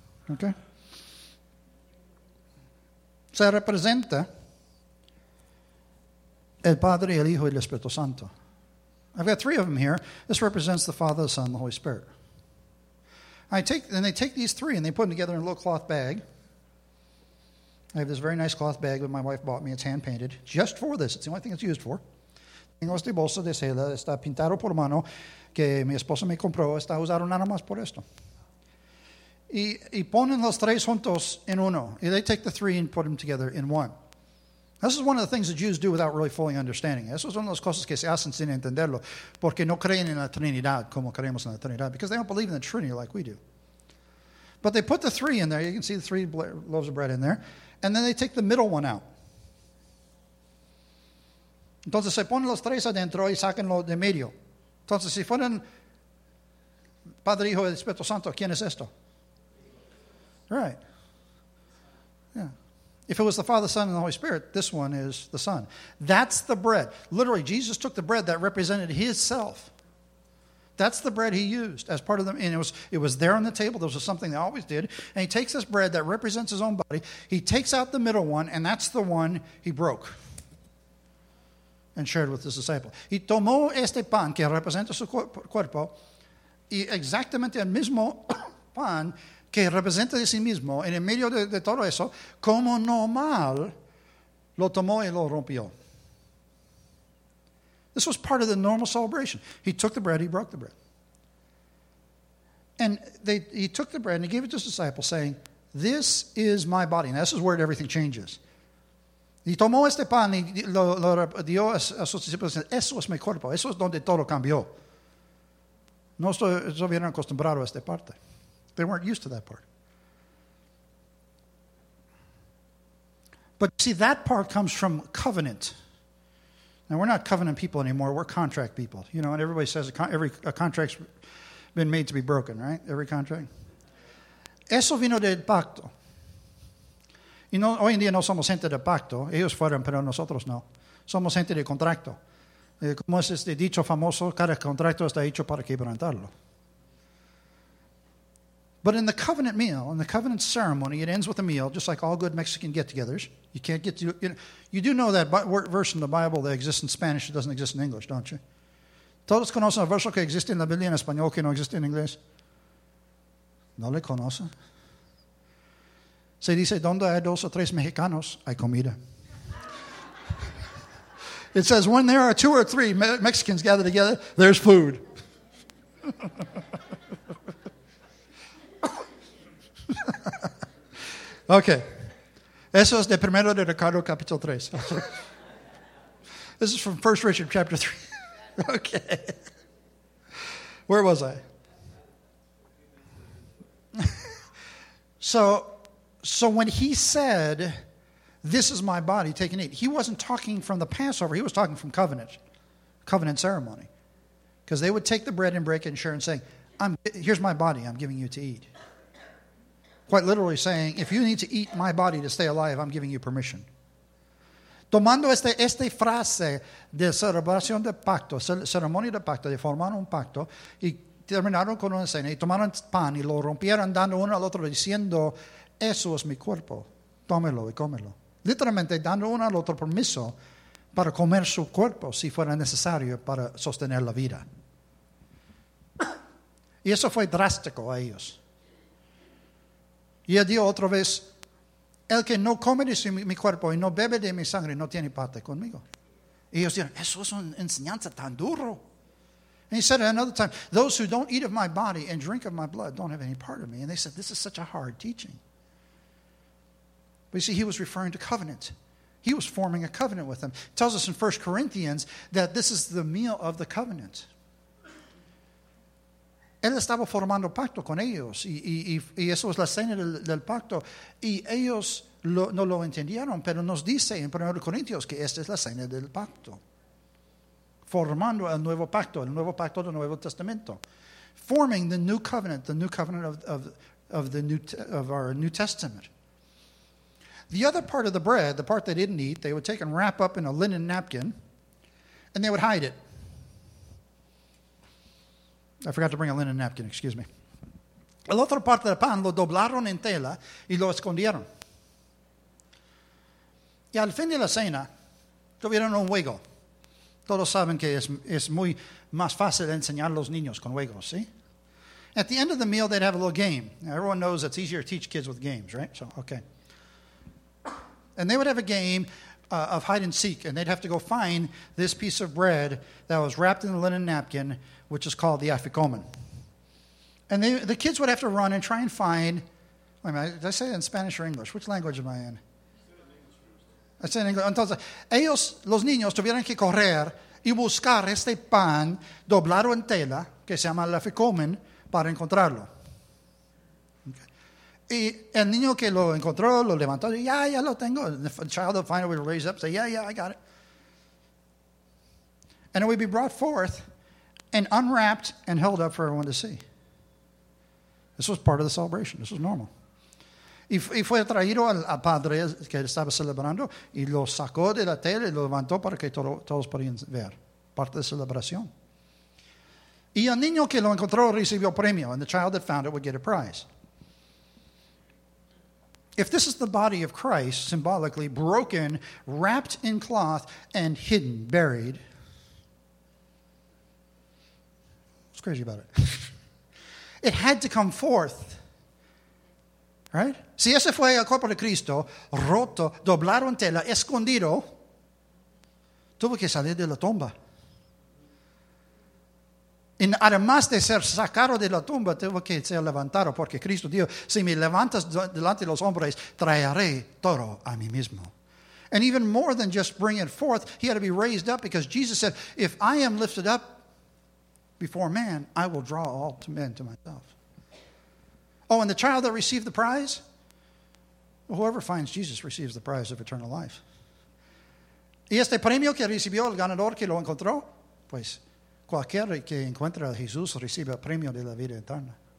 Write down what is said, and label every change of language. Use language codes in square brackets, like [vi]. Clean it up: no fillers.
[en] Okay. [es] Se representa el Padre, el Hijo y el Espíritu Santo. [en] I've got three of them here. This represents the Father, the Son, and the Holy Spirit. They take these three and they put them together in a little cloth bag. I have this very nice cloth bag that my wife bought me. It's hand-painted just for this. It's the only thing it's used for. [es] Tengo este bolso de seda. Está pintado por mano que mi esposa me compró. Está usado nada más por esto. Y ponen los tres juntos en uno. [en] Y they take the three and put them together in one. This is one of the things the Jews do without really fully understanding. [es] Eso es una de las cosas que se hacen sin entenderlo. Porque no creen en la Trinidad como creemos en la Trinidad. [en] Because they don't believe in the Trinity like we do. But they put the three in there. You can see the three loaves of bread in there. And then they take the middle one out. [es] Entonces se ponen los tres adentro y sacan lo de medio. Entonces si ponen Padre, Hijo y Espíritu Santo, ¿quién es esto? [en] Right. Yeah. If it was the Father, Son, and the Holy Spirit, this one is the Son. That's the bread. Literally, Jesus took the bread that represented his self. That's the bread he used as part of them. And it was there on the table. This was something they always did. And he takes this bread that represents his own body. He takes out the middle one, and that's the one he broke and shared with his disciples. [es] Y tomó este pan que representa su cuerpo y exactamente el mismo pan que representa de sí mismo, en el medio de todo eso, como normal, lo tomó y lo rompió. [en] This was part of the normal celebration. He took the bread, he broke the bread. And he took the bread and he gave it to his disciples, saying, this is my body. And this is where everything changes. [es] Y tomó este pan y lo dio a sus discípulos, diciendo, eso es mi cuerpo, eso es donde todo cambió. No se hubieran acostumbrado a esta parte. [en] They weren't used to that part. But see, that part comes from covenant. Now, we're not covenant people anymore. We're contract people. You know, and everybody says a contract's been made to be broken, right? Every contract. [es] Eso vino del pacto. Y no, hoy en día no somos gente de pacto. Ellos fueron, pero nosotros no. Somos gente de contrato. Como es este dicho famoso, cada contrato está hecho para quebrantarlo. [en] But in the covenant meal, in the covenant ceremony, it ends with a meal, just like all good Mexican get-togethers. You can't get to, you know, you do know that verse in the Bible that exists in Spanish, it doesn't exist in English, don't you? [es] ¿Todos conocen el verso que existe en la Biblia en español que no existe en inglés? ¿No le conocen? Se dice, donde hay dos o tres mexicanos, hay comida. [en] It says, when there are two or three Mexicans gathered together, there's food. [es] Okay. Eso es de primero de Ricardo, capítulo 3. [en] This is from 1 Richard, chapter 3. Okay. Where was I? So when he said, this is my body, take and eat, he wasn't talking from the Passover. He was talking from covenant ceremony. Because they would take the bread and break it and share and say, here's my body I'm giving you to eat. Quite literally saying, if you need to eat my body to stay alive, I'm giving you permission. [es] Tomando esta frase de celebración de pacto, ceremonia de pacto, de formar un pacto, y terminaron con una cena, y tomaron pan, y lo rompieron dando uno al otro, diciendo, eso es mi cuerpo, tómelo y cómelo. Literalmente dando uno al otro permiso para comer su cuerpo si fuera necesario para sostener la vida. Y eso fue drástico a ellos. Y él dijo otra vez, el que no come de mi cuerpo y no bebe de mi sangre no tiene parte conmigo. Y ellos dijeron, eso es una enseñanza tan duro. [en] And he said at another time, those who don't eat of my body and drink of my blood don't have any part of me. And they said, this is such a hard teaching. But you see, he was referring to covenant. He was forming a covenant with them. It tells us in 1 Corinthians that this is the meal of the covenant. [es] Él estaba formando pacto con ellos. Y eso es la cena del pacto. Y ellos no lo entendieron, pero nos dice en 1 Corintios que esta es la cena del pacto. Formando el nuevo pacto del Nuevo Testamento. [en] Forming the new covenant of the new of our New Testament. The other part of the bread, the part they didn't eat, they would take and wrap up in a linen napkin, and they would hide it. I forgot to bring a linen napkin, excuse me. [es] El otro parte del pan lo doblaron en tela y lo escondieron. Y al fin de la cena, tuvieron un juego. Todos saben que es muy más fácil enseñar a los niños con juegos, ¿sí? [en] At the end of the meal, they'd have a little game. Now, everyone knows it's easier to teach kids with games, right? So, okay. And they would have a game of hide and seek, and they'd have to go find this piece of bread that was wrapped in a linen napkin, which is called the afikoman. And the kids would have to run and try and find, wait a minute, did I say it in Spanish or English? Which language am I in? I said in English. [es] Entonces, ellos, los niños, tuvieron que correr y buscar este pan doblado en tela, que se llama el afikoman, para encontrarlo. Y el niño que lo encontró, lo levantó, y ya, ya lo tengo. [en] And the child will finally raise up and say, yeah, yeah, I got it. And it would be brought forth and unwrapped and held up for everyone to see. This was part of the celebration. This was normal. [es] Y fue traído al padre que estaba celebrando, y lo sacó de la tela y lo levantó para que todos podían ver. Parte de celebración. Y el niño que lo encontró recibió premio, [en] and the child that found it would get a prize. If this is the body of Christ, symbolically broken, wrapped in cloth, and hidden, buried, what's crazy about it? It had to come forth, right? [es] Si ese fue el cuerpo de Cristo, roto, doblado en tela, escondido, tuvo que salir de la tumba. Y además de ser sacado de la tumba, tengo que ser levantado, porque Cristo dijo, si me levantas delante de los hombres, traeré todo a mí mismo. [en] And even more than just bring it forth, he had to be raised up, because Jesus said, if I am lifted up before man, I will draw all to men to myself. Oh, and the child that received the prize? Whoever finds Jesus receives the prize of eternal life. [es] Y este premio que recibió el ganador que lo encontró, pues, cualquiera que encuentra a Jesús recibe el premio de la vida eterna.